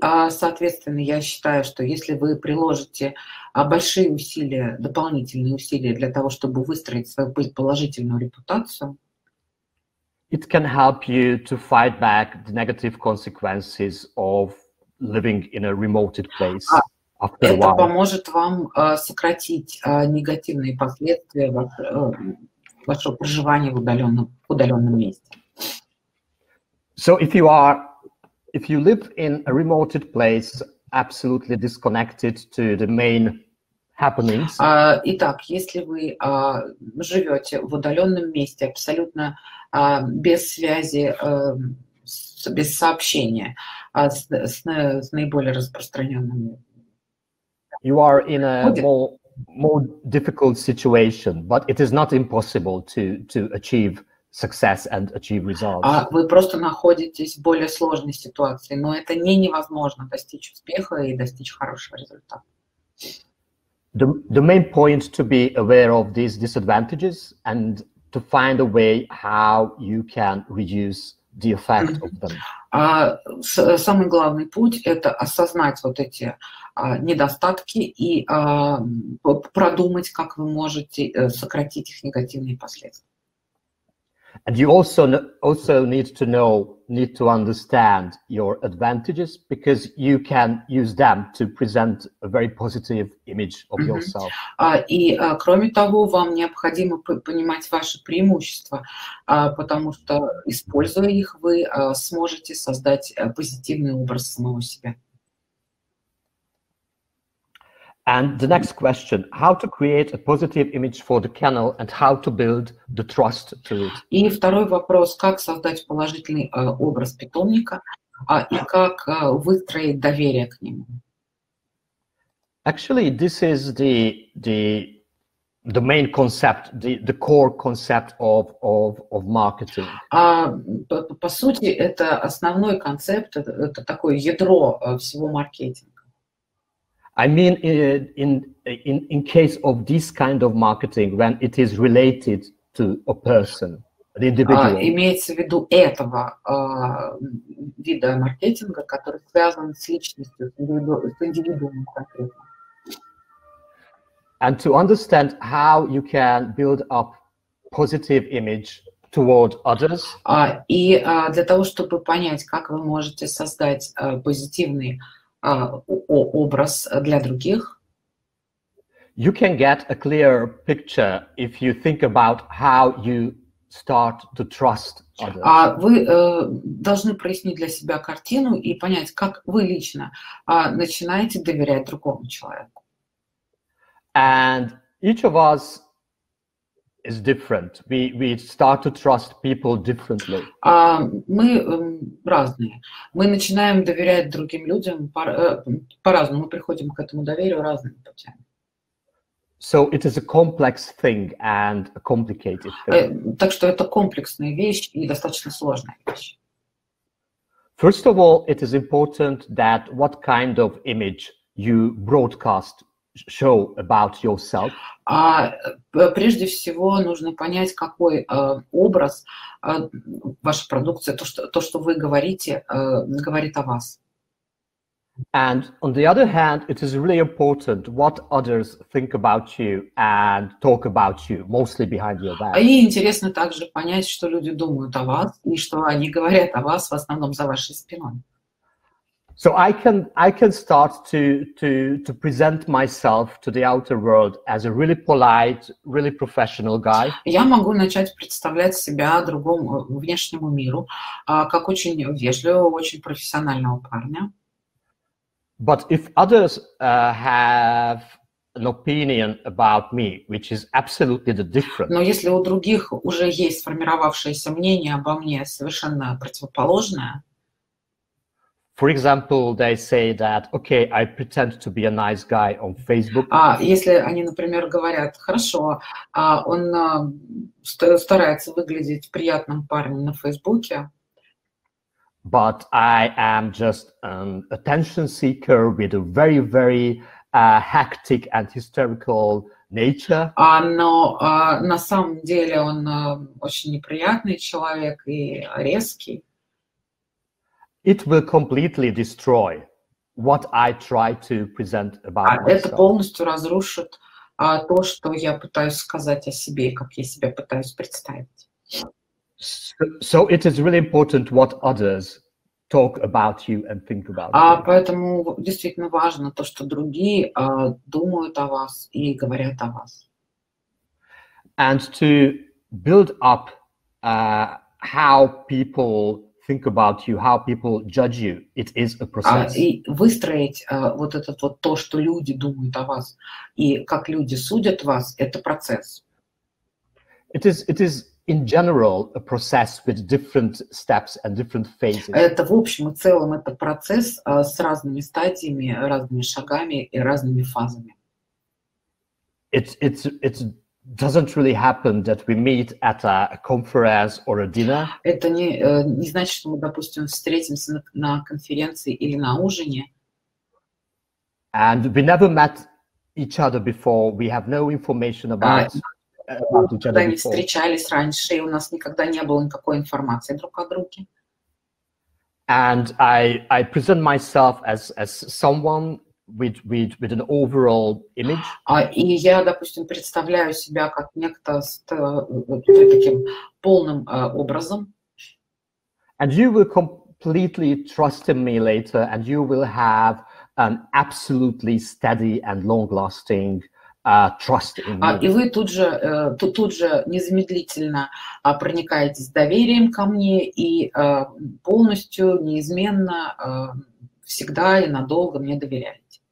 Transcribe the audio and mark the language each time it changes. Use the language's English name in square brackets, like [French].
[Russian] Соответственно, я считаю, что если вы приложите большие усилия, дополнительные усилия для того, чтобы выстроить свою положительную репутацию, [English] it can help you to fight back the negative consequences of living in a remote place after a while. [Russian] Это поможет вам сократить негативные последствия вашего проживания в удаленном месте. [English] So if you live in a remote place, absolutely disconnected to the main happenings. [Russian] Итак, если вы живете в удаленном месте, абсолютно без связи, без сообщения с наиболее распространенными. [English] You are in a more more difficult situation, but it is not impossible to achieve success and achieve results. [Russian] А вы просто находитесь в более сложной ситуации, но это не невозможно достичь успеха и достичь хорошего результата. [English] The main point to be aware of these disadvantages and to find a way how you can reduce the effect of them. [Russian] Самый главный путь – это осознать вот эти недостатки и продумать, как вы можете сократить их негативные последствия. [English] And you also need to know, need to understand your advantages, because you can use them to present a very positive image of yourself. [Russian] Кроме того, вам необходимо понимать ваши преимущества, потому что, используя их, вы сможете создать позитивный образ самого себя. [English] And the next question: how to create a positive image for the kennel and how to build the trust to it? [Russian] И второй вопрос: как создать положительный образ питомника и как выстроить доверие к нему? [English] Actually, this is the main concept, the core concept of marketing. [Russian] По сути, это основной концепт, это такое ядро всего маркетинга. [English] I mean, in case of this kind of marketing, when it is related to a person, an individual. [Russian] Имеется в виду этого вида маркетинга, который связан с личностью, с индивидуумом конкретно. [English] And to understand how you can build up positive image toward others. [Russian] Для того, чтобы понять, как вы можете создать позитивный образ для других. [English] You can get a clear picture if you think about how you start to trust others. [Russian] Вы должны прояснить для себя картину и понять, как вы лично начинаете доверять другому человеку. [English] And each of us is different. We start to trust people differently. [Russian] Мы разные. Мы начинаем доверять другим людям по-разному. Мы приходим к этому доверию разными путями. [English] So it is a complex thing and a complicated thing. [Russian] Так что это комплексная вещь и достаточно сложная вещь. [English] First of all, it is important that what kind of image you broadcast show about yourself. [Russian] Прежде всего нужно понять, какой образ ваша продукция, то, что вы говорите, говорит о вас. [English] And on the other hand, it is really important what others think about you and talk about you, mostly behind your back. [Russian] И интересно также понять, что люди думают о вас и что они говорят о вас в основном за вашей спиной. [English] So I can start to present myself to the outer world as a really polite, really professional guy. [Russian] Я могу начать представлять себя другому внешнему миру как очень вежливого, очень профессионального парня. [English] But if others have an opinion about me, which is absolutely the different. [Russian] Но если у других уже есть сформировавшееся мнение обо мне совершенно противоположное. [English] For example, they say that, okay, I pretend to be a nice guy on Facebook. [Russian] Если они, например, говорят, хорошо, он старается выглядеть приятным парнем на Фейсбуке. [English] But I am just an attention seeker with a very, very hectic and hysterical nature. [Russian] На самом деле он очень неприятный человек и резкий. [English] It will completely destroy what I try to present about myself. [Russian] Это полностью разрушит то, что я пытаюсь сказать о себе, как я себя пытаюсь представить. [English] So it is really important what others talk about you and think about you. [Russian] Поэтому действительно важно то, что другие думают о вас и говорят о вас. [English] And to build up how people think about you, how people judge you. It is a process. [Russian] И выстроить вот этот вот то, что люди думают о вас, и как люди судят вас, это процесс. [English] It is in general a process with different steps and different phases. [Russian] Это в общем и целом это процесс с разными стадиями, разными шагами и разными фазами. [English] It doesn't really happen that we meet at a conference or a dinner. [Russian] Это не значит, что мы, допустим, встретимся на конференции или на ужине. [English] And we never met each other before. We have no information about each other before. [Russian] Мы не встречались раньше, и у нас никогда не было никакой информации друг о друге. [English] And I present myself as someone with an overall image. [Russian] И я, допустим, представляю себя как некто с таким полным образом. [English] And you will completely trust in me later, and you will have an absolutely steady and long-lasting trust in me. [Russian] И вы тут же незамедлительно проникаетесь доверием ко мне и полностью неизменно всегда и надолго мне доверяете.